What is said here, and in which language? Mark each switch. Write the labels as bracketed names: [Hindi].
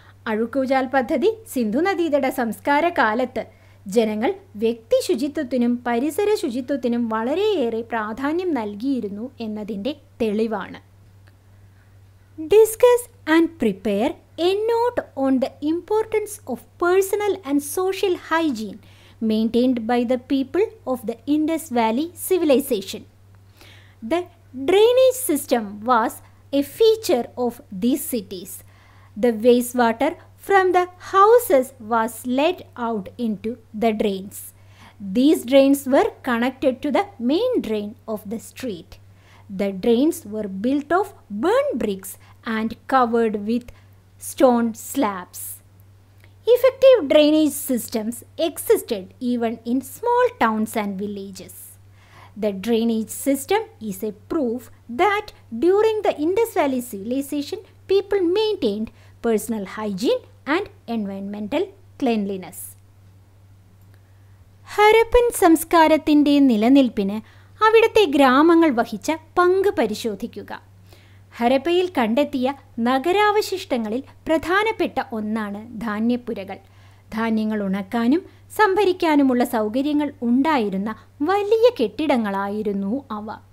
[Malayalam] അഴുക്കുചാൽ പദ്ധതി സിന്ധു നദീതട സംസ്കാര കാലത്ത് ജനങ്ങൾ വ്യക്തിശുചിത്വത്തിനും പരിസര ശുചിത്വത്തിനും വളരെയേറെ പ്രാധാന്യം നൽകിയിരുന്നു എന്നതിൻ്റെ തെളിവാണ്. [English] Discuss and prepare a note on the importance of personal and social hygiene maintained by the people of the Indus Valley civilization. The drainage system was a feature of these cities. The wastewater from the houses was let out into the drains. These drains were connected to the main drain of the street. The drains were built of burnt bricks and covered with stone slabs. Effective drainage systems existed even in small towns and villages. The drainage system is a proof that during the Indus Valley civilization, people maintained personal hygiene and environmental cleanliness. [Malayalam] Harappan സംസ്കാരത്തിൻ്റെ നിലനിൽപ്പിന് അവിടുത്തെ ഗ്രാമങ്ങൾ വഹിച്ച പങ്ക് പരിശോധിക്കുക. ഹരപ്പയിൽ കണ്ടെത്തിയ നഗരാവശിഷ്ടങ്ങളിൽ പ്രധാനപ്പെട്ട ഒന്നാണ് ധാന്യപ്പുരകൾ. ധാന്യങ്ങൾ ഉണക്കാനും സംഭരിക്കാനുമുള്ള സൗകര്യങ്ങൾ ഉണ്ടായിരുന്ന വലിയ കെട്ടിടങ്ങളായിരുന്നു അവ.